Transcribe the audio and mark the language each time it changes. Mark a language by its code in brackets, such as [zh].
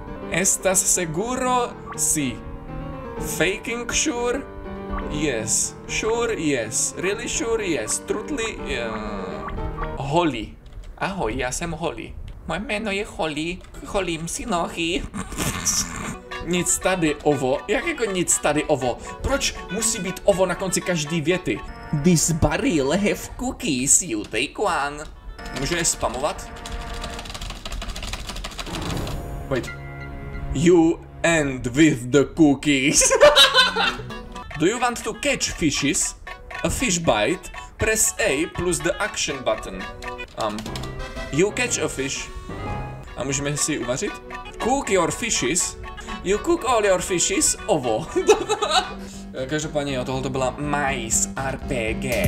[es] Estas seguro? Si. [en] Faking sure? Yes. Sure? Yes. Really sure? Yes. Truthly? Holly. [cs] Ahoj, já jsem Holly. Moje jméno je Holly. Holím si nohy. nic tady ovo? Jak jako nic tady ovo? Proč musí být ovo na konci každý věty? [en] This barrel have cookies, you take one. [cs] Může je spamovat? [en] Wait. You end with the cookies. Do you want to catch fishes? A fish bite? Press A plus the action button. You catch a fish. [cs] A můžeme si uvařit? [en] Cook your fishes. You cook all your fishes. Ovo. [cs] Každopádně jo, tohle to byla Mice RPG.